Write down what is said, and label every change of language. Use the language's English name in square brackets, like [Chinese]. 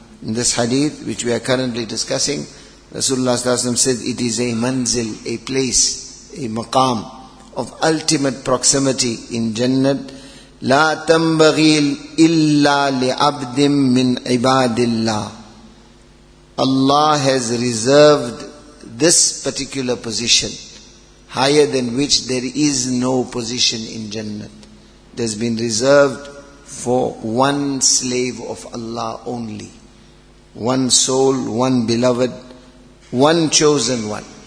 [English] In this hadith, which we are currently discussing, Rasulullah ﷺ said it is a manzil, a place, a maqam of ultimate proximity in Jannat. [Arabic] لا تنبغي إلا لعبد من عباد الله. [English] Allah has reserved this particular position, higher than which there is no position in Jannat. It has been reserved for one slave of Allah only. One soul, one beloved, one chosen one.